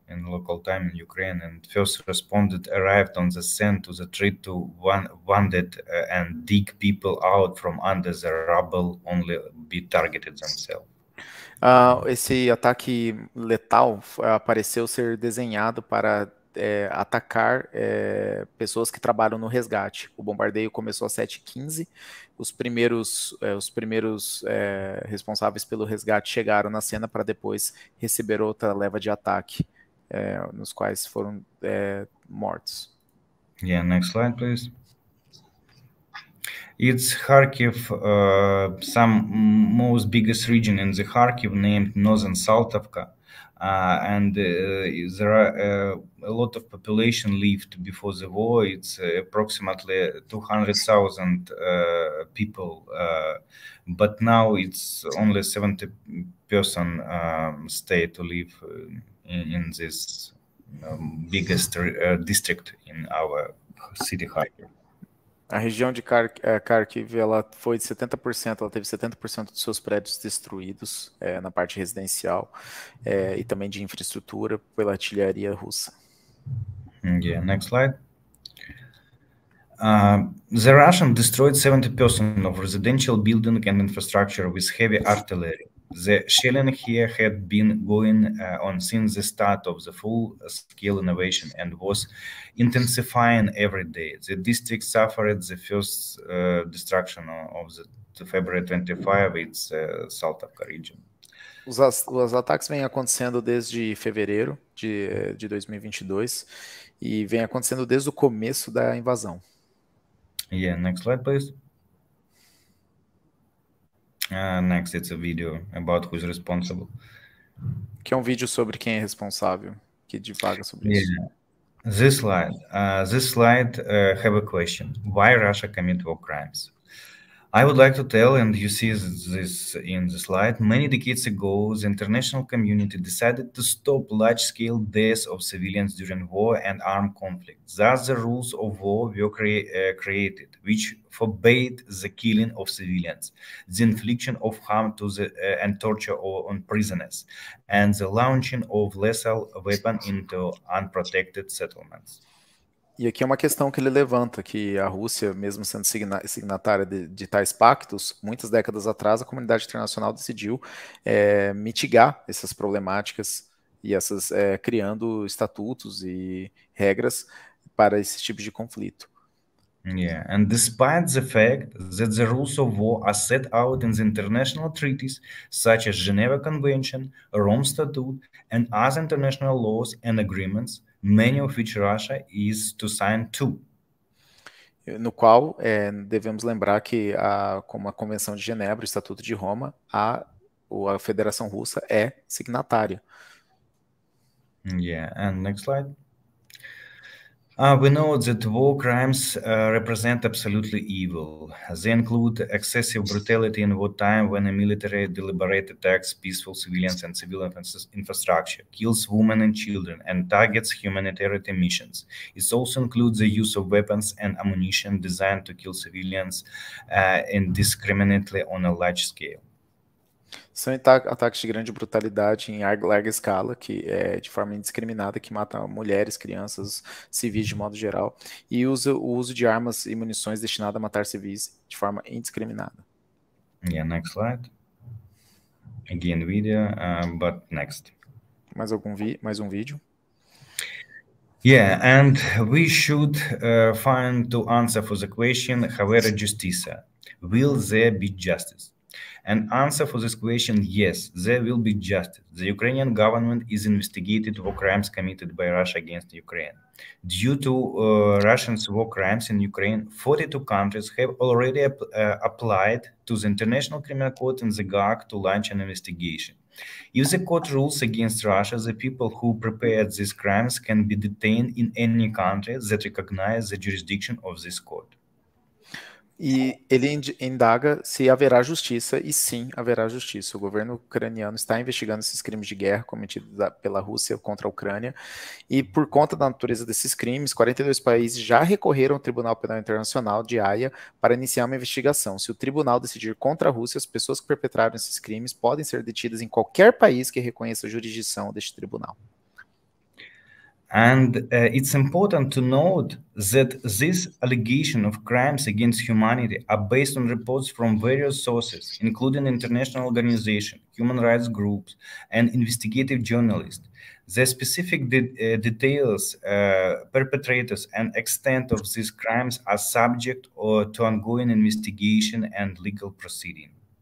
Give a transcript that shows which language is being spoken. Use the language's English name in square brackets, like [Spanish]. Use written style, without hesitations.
[English] in local time in Ukraine, and first responders arrived on the scene to the treat to wounded and dig people out from under the rubble, only be targeted themselves. [Portuguese] Esse ataque letal apareceu ser desenhado para atacar pessoas que trabalham no resgate. O bombardeio começou às 7:15, os primeiros responsáveis pelo resgate chegaram na cena para depois receber outra leva de ataque. nos quais foram mortos. [English] Yeah, next slide, please. It's Kharkiv, some most biggest region in the Kharkiv named Northern Saltovka. And there are a lot of population lived before the war. It's approximately 200,000 people, but now it's only 70% stay to live in this biggest district in our city, Kharkiv. [Portuguese] A região de Kharkiv, ela foi de 70%, ela teve 70% dos seus prédios destruídos na parte residencial e também de infraestrutura pela artilharia russa. [English] Yeah, next slide. The Russians destroyed 70% of residential building and infrastructure with heavy artillery. The shelling here had been going on since the start of the full-scale invasion and was intensifying every day. The district suffered the first destruction of the February 25, its Saltovka region. [Portuguese] Os ataques vêm acontecendo desde fevereiro de 2022 e vêm acontecendo desde o começo da invasão. [English] Yeah, next slide, please. Next, it's a video about who's responsible. [Portuguese] Que é um vídeo sobre quem é responsável, que divaga sobre [English] yeah. [Portuguese] isso. [English] This slide have a question. Why Russia commit war crimes? I would like to tell, and you see this in the slide, many decades ago, the international community decided to stop large-scale deaths of civilians during war and armed conflict. Thus, the rules of war were created, which forbade the killing of civilians, the infliction of harm to the and torture on prisoners, and the launching of lethal weapons into unprotected settlements. [Portuguese] E aqui é uma questão que ele levanta, que a Rússia, mesmo sendo signatária de tais pactos, muitas décadas atrás, a comunidade internacional decidiu mitigar essas problemáticas e essas criando estatutos e regras para esse tipo de conflito. [English] Yeah, and despite the fact that the rules of war are set out in the international treaties, such as Geneva Convention, Rome Statute, and other international laws and agreements, many of which Russia is to sign too. [Portuguese] No qual devemos lembrar que como a Convenção de Genebra, o Estatuto de Roma, a Federação Russa é signatária. [English] Yeah, and next slide. We know that war crimes represent absolutely evil. They include excessive brutality in wartime when a military deliberate attacks peaceful civilians and civil infrastructure, kills women and children, and targets humanitarian missions. It also includes the use of weapons and ammunition designed to kill civilians indiscriminately on a large scale. [Portuguese] São ataques de grande brutalidade em larga escala, que é de forma indiscriminada, que matam mulheres, crianças, civis de modo geral, e usa o uso de armas e munições destinadas a matar civis de forma indiscriminada. [English] Yeah, next slide. Again, video, but next. [Portuguese] Mais um vídeo? [English] Yeah, and we should find to answer for the question, [Portuguese] haver justiça? [English] Will there be justice? An answer for this question, yes, there will be justice. The Ukrainian government is investigated for crimes committed by Russia against Ukraine. Due to Russians' war crimes in Ukraine, 42 countries have already applied to the International Criminal Court in the Gaag to launch an investigation. If the court rules against Russia, the people who prepared these crimes can be detained in any country that recognizes the jurisdiction of this court. [Portuguese] E ele indaga se haverá justiça, e sim, haverá justiça. O governo ucraniano está investigando esses crimes de guerra cometidos pela Rússia contra a Ucrânia, e por conta da natureza desses crimes, 42 países já recorreram ao Tribunal Penal Internacional de Haia para iniciar uma investigação. Se o tribunal decidir contra a Rússia, as pessoas que perpetraram esses crimes podem ser detidas em qualquer país que reconheça a jurisdição deste tribunal. [English] And it's important to note that this allegation of crimes against humanity are based on reports from various sources, including international organizations, human rights groups, and investigative journalists. The specific details, perpetrators, and extent of these crimes are subject to ongoing investigation and legal proceedings.